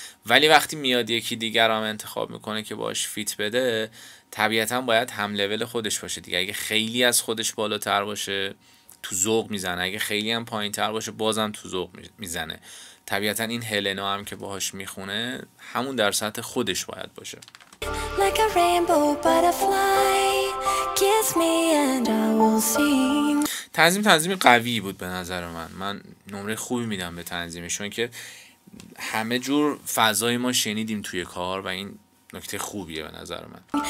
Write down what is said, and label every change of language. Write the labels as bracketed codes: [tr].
[fa] ولی وقتی میاد یکی دیگر هم انتخاب میکنه که باش فیت بده، طبیعتا باید هم لول خودش باشه دیگه. اگه خیلی از خودش بالاتر باشه تو ذوق میزنه، اگه خیلی هم پایین تر باشه بازم تو ذوق میزنه. طبیعتا این هلنا هم که باهاش میخونه همون در سطح خودش باید باشه. [en] Like a rainbow butterfly, kiss me and I will sing. [fa] تنظیم قوی بود به نظر من، من نمره خوبی میدم به تنظیمش، چون که همه جور فضای ما شنیدیم توی کار و این نکته خوبیه به نظر من.